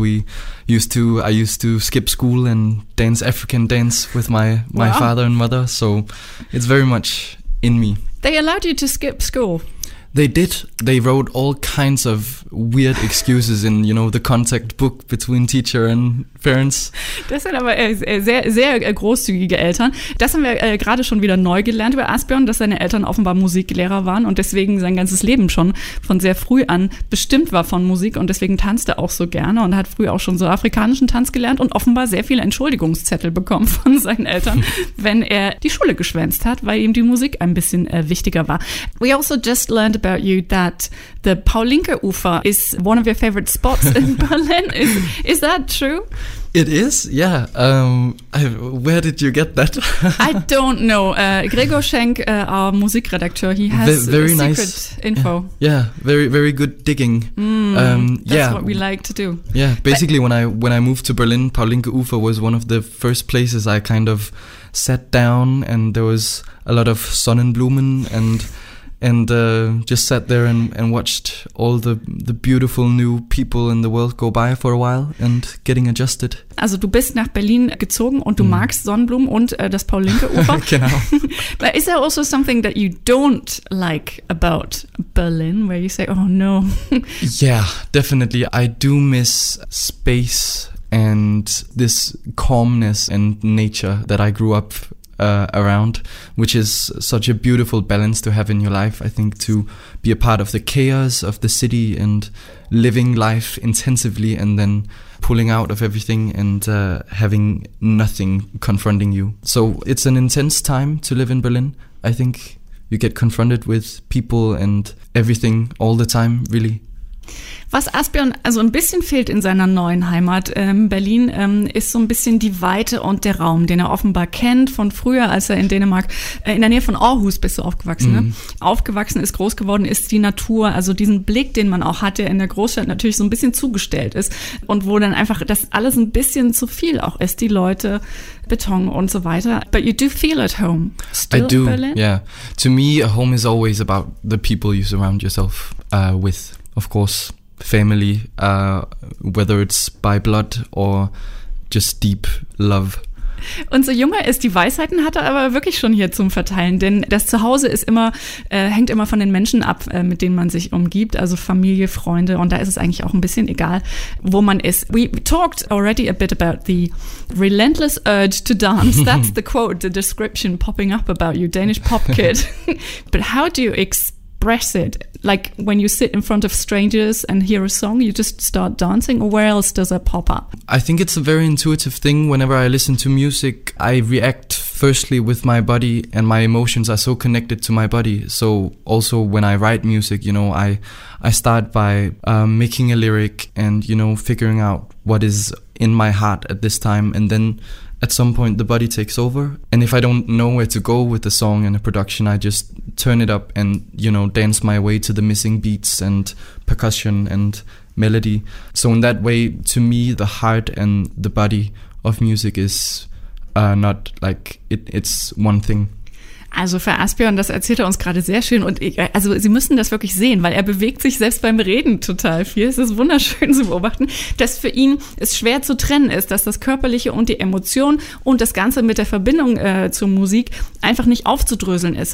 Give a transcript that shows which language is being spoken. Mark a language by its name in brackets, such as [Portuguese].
[English] I used to skip school and dance African dance with my wow. father and mother. So it's very much in me. They allowed you to skip school? They did. They wrote all kinds of weird excuses in, you know, the contact book between teacher and parents. [German] Das sind aber sehr, sehr großzügige Eltern. Das haben wir gerade schon wieder neu gelernt über Asbjørn, dass seine Eltern offenbar Musiklehrer waren und deswegen sein ganzes Leben schon von sehr früh an bestimmt war von Musik und deswegen tanzte auch so gerne und hat früh auch schon so afrikanischen Tanz gelernt und offenbar sehr viele Entschuldigungszettel bekommen von seinen Eltern, wenn er die Schule geschwänzt hat, weil ihm die Musik ein bisschen wichtiger war. [English] We also just learned about you that the Paulinker Ufer is one of your favorite spots in Berlin. Is that true? It is, yeah. Where did you get that? I don't know. Gregor Schenk, our Musikredakteur, he has very a nice secret info. Yeah, very, very good digging. That's what we like to do. Yeah, basically when I moved to Berlin, Paulinker Ufer was one of the first places I kind of sat down and there was a lot of Sonnenblumen and just sat there and watched all the beautiful new people in the world go by for a while and getting adjusted. [German] Also du bist nach Berlin gezogen und du magst Sonnenblumen und das Paul-Linke-Ufer. Genau. [English] But is there also something that you don't like about Berlin, where you say, oh no? Yeah, definitely. I do miss space and this calmness and nature that I grew up around, which is such a beautiful balance to have in your life. I think to be a part of the chaos of the city and living life intensively and then pulling out of everything and having nothing confronting you. So it's an intense time to live in Berlin. I think you get confronted with people and everything all the time, really. [German] Was Asbjørn also ein bisschen fehlt in seiner neuen Heimat Berlin, ist so ein bisschen die Weite und der Raum, den er offenbar kennt von früher, als er in Dänemark, in der Nähe von Aarhus bist du aufgewachsen, ne? Aufgewachsen ist, groß geworden ist, die Natur, also diesen Blick, den man auch hat, der in der Großstadt natürlich so ein bisschen zugestellt ist und wo dann einfach das alles ein bisschen zu viel auch ist, die Leute, Beton und so weiter. [English] But you do feel at home. Still I do, Berlin? Yeah. To me, a home is always about the people you surround yourself with. Of course, family, whether it's by blood or just deep love. [German] Unser Junge ist die Weisheiten, hat er aber wirklich schon hier zum Verteilen, denn das Zuhause ist immer, hängt immer von den Menschen ab, mit denen man sich umgibt, also Familie, Freunde, und da ist es eigentlich auch ein bisschen egal, wo man ist. [English] We talked already a bit about the relentless urge to dance. That's the quote, the description popping up about you, Danish pop kid. But how do you express it? Like when you sit in front of strangers and hear a song, you just start dancing, or where else does that pop up? I think it's a very intuitive thing. Whenever I listen to music, I react firstly with my body, and my emotions are so connected to my body. So also when I write music, you know, I start by making a lyric and, you know, figuring out what is in my heart at this time, and then at some point the body takes over, and if I don't know where to go with the song and a production, I just turn it up and, you know, dance my way to the missing beats and percussion and melody. So in that way, to me, the heart and the body of music is not like it's one thing. [German] Also für Asbjørn, das erzählt er uns gerade sehr schön. Und ich, also Sie müssen das wirklich sehen, weil er bewegt sich selbst beim Reden total viel. Es ist wunderschön zu beobachten, dass für ihn es schwer zu trennen ist, dass das Körperliche und die Emotion und das Ganze mit der Verbindung zur Musik einfach nicht aufzudröseln ist.